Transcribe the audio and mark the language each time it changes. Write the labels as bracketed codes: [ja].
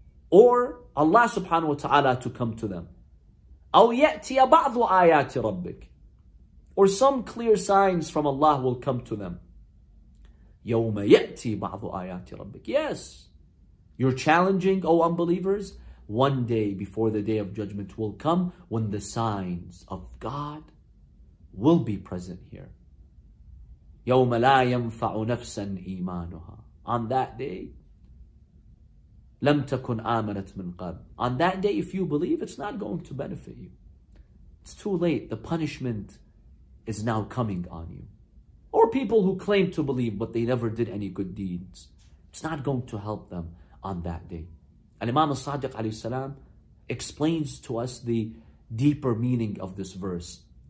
[en] Or Allah subhanahu wa ta'ala to come to them. [ar] أَوْ يَأْتِيَ بَعْضُ آيَاتِ رَبِّكَ. [en] Or some clear signs from Allah will come to them. [ar] يَوْمَ يَأْتِي بَعْضُ آيَاتِ رَبِّكَ. [en] Yes. You're challenging, O unbelievers, one day before the day of judgment will come when the signs of God will be present here. [ar] يَوْمَ لَا يَنْفَعُ نَفْسًا إِيمَانُهَا. [en] On that day, [ar] لَمْ تَكُنْ آمَنَتْ مِنْ قَبْلِ. [en] On that day, if you believe, it's not going to benefit you. It's too late. The punishment is now coming on you. Or people who claim to believe, but they never did any good deeds. It's not going to help them on that day. And Imam al-Sadiq alayhi salam explains to us the deeper meaning of this verse.